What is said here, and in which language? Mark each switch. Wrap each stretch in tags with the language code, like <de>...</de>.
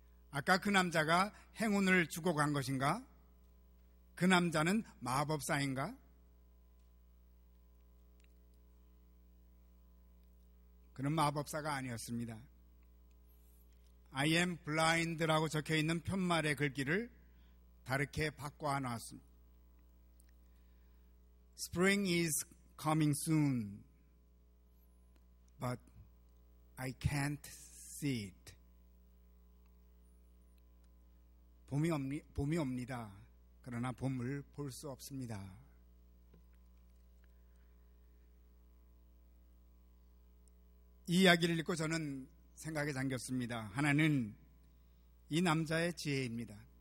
<ko>아까 그 남자가 행운을 주고 간 것인가? 그 남자는 마법사인가? 그는 마법사가 아니었습니다.</ko> <en>I am blind</en> <ko>라고 적혀있는 푯말의 글귀를 다르게 바꿔놨습니다.</ko> <en>Spring is coming soon, but I can't see it.</en> <ko>봄이 옵니다. 그러나 봄을 볼 수 없습니다. 이 이야기를 읽고 저는 생각에 잠겼습니다. 하나는 이 남자의 지혜입니다.</ko>